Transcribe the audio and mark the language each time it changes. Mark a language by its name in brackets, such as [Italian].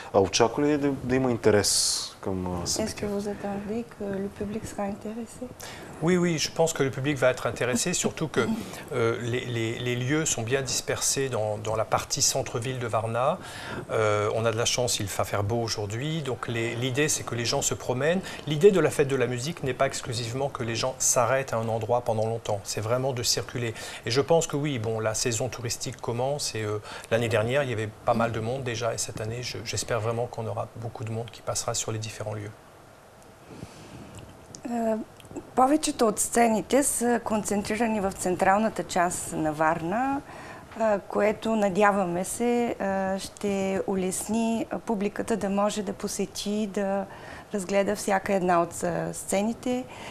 [Bulgarian] А очаква ли да има интерес към Сандикер? [French] Est-ce que vous attendez que le public sera intéressé? Oui, oui, je pense que le public va être intéressé, surtout que les lieux sont bien dispersés dans la partie centre-ville de Varna. On a de la chance, il va faire beau aujourd'hui, donc l'idée c'est que les gens se promènent. L'idée de la fête de la musique n'est pas exclusivement que les gens s'arrêtent à un endroit pendant longtemps, c'est vraiment de circuler. Et je pense que oui, bon, la saison touristique commence et l'année dernière il y avait pas mal de monde déjà et cette année j'espère vraiment qu'on aura beaucoup de monde qui passera sur les différents lieux. [Bulgarian] Повечето от сцените са концентрирани в централната част на Варна, което надяваме се ще улесни публиката да може да посети, да разгледа всяка една от сцените.